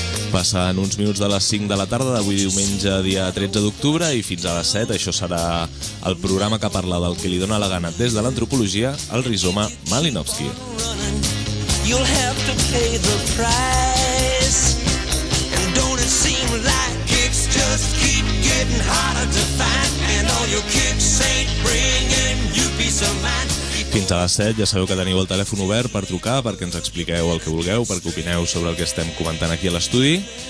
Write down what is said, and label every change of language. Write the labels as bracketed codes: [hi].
[ca] Passant uns minuts de les 5 de la tarda d'avui diumenge, dia 13 d'octubre, i fins a les 7, això serà el programa que parla del que li dona la gana des de l'antropologia, el rizoma Malinowski. [en] You'll have to pay the price. And don't it seem like kicks just keep getting harder to find. And all your kicks ain't bringing you peace of mind. [ca] Fins a les 7, ja sabeu que teniu el telèfon obert per trucar, perquè ens expliqueu el que vulgueu, perquè opineu sobre el que estem comentant aquí a l'estudi.